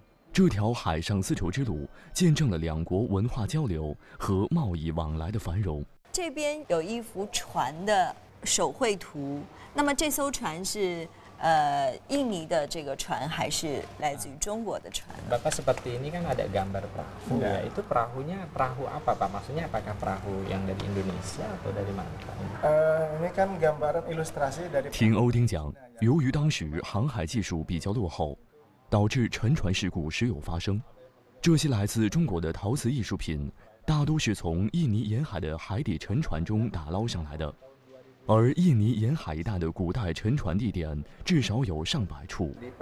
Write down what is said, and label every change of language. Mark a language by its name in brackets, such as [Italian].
[Chinese] 这条海上丝绸之路见证了两国文化交流和贸易往来的繁荣。这边有一幅船的手绘图，那么这艘船是印尼的这个船还是来自于中国的船？ [Indonesian] Bapak seperti ini kan ada gambar perahu. Nah, itu perahunya perahu apa, Pak? Maksudnya apakah perahu yang dari Indonesia atau dari mana? Ini kan gambaran ilustrasi dari. [Chinese] 听欧丁讲，由于当时航海技术比较落后，导致沉船事故时有发生。这些来自中国的陶瓷艺术品，大多是从印尼沿海的海底沉船中打捞上来的。而印尼沿海一带的古代沉船地点至少有上100处。